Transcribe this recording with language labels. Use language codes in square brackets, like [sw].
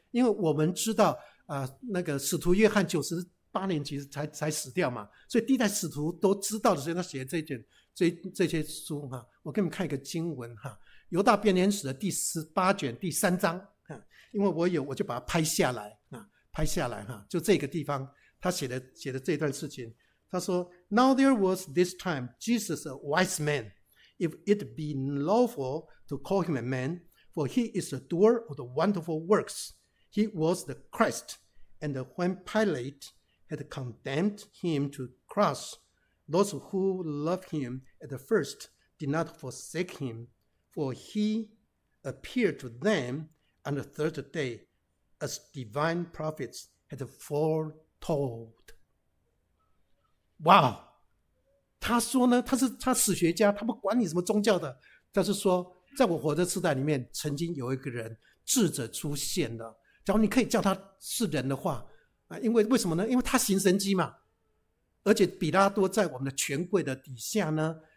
[zh] 因为我们知道那个使徒约翰98年其实才死掉嘛，所以第一代使徒都知道的时候，他写这卷这些书哈。我给你们看一个经文哈，犹大编年史的第18卷第3章，因为我就把它拍下来哈，就这个地方他写的这段事情。 [en] 他说 Now there was this time Jesus a wise man, if it be lawful to call him a man, for he is the doer of the wonderful works. He was the Christ, and when Pilate had condemned him to cross, those who loved him at the first did not forsake him, for he appeared to them on the third day as divine prophets had foretold. [zh] 哇、wow, 他说呢，他史学家，他不管你什么宗教的，但是说在我活的时代里面曾经有一个人智者出现的，假如你可以叫他是人的话，因为为什么呢？因为他行神迹嘛，而且比拉多在我们的权贵的底下呢